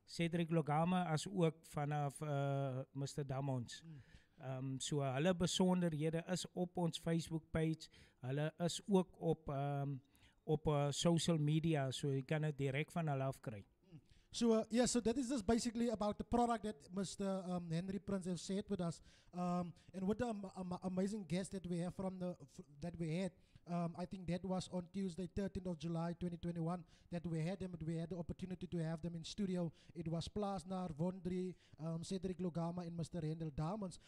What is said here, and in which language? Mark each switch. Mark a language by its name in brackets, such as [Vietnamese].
[Afrikaans] Cedric Lungama as ook vanaf Mr. Damons. So hulle besonderhede is op ons Facebook page, hulle is ook op social media, so jy kan het direct van hulle afkry. [English] So yeah, so that is just basically about the product that Mr. Henry Prince has shared with us, and with the amazing guest that we have from the that we had, I think that was on Tuesday, 13th of July, 2021, that we had them. And we had the opportunity to have them in studio. It was Plaasnaar, Vondri, Cedric Lungama, and Mr. Randall Damons.